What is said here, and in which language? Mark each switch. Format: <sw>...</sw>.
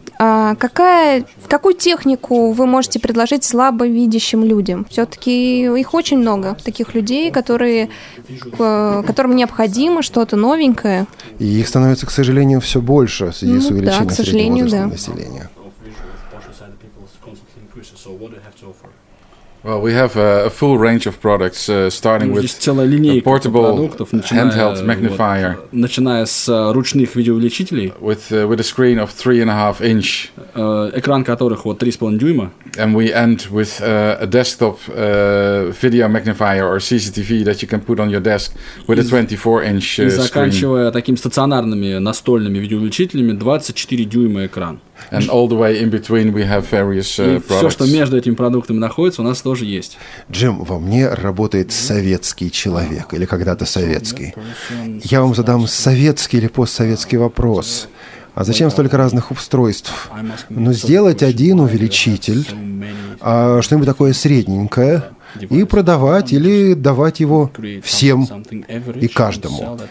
<ru>Какую технику вы можете предложить слабовидящим людям? Все-таки их очень много, таких людей, которым необходимо что-то новенькое. И их становится, к сожалению, все больше в связи с увеличением среднего возраста населения.</ru> <en>Well, we have a full range of products, starting with a portable handheld magnifier.</en> <ru>Начиная с ручных видеоувеличителей.</ru> <en>With a screen of 3.5 inch.</en> <ru>Экран которых вот 3.5 дюйма.</ru> <en>And we end with a desktop video magnifier or CCTV that you can put on your desk with a 24-inch screen.</en> <ru>И заканчивая такими стационарными настольными видеоувеличителями 24 дюйма экран.</ru> <en>And all the way in between we have various products.</en> <ru>Все, что между этими продуктами находится, у нас тоже есть. Джим, во мне работает советский человек, или когда-то советский. Я вам задам советский или постсоветский вопрос. А зачем столько разных устройств? Ну, сделать один увеличитель, что-нибудь такое средненькое, и продавать или давать его всем и каждому.</ru>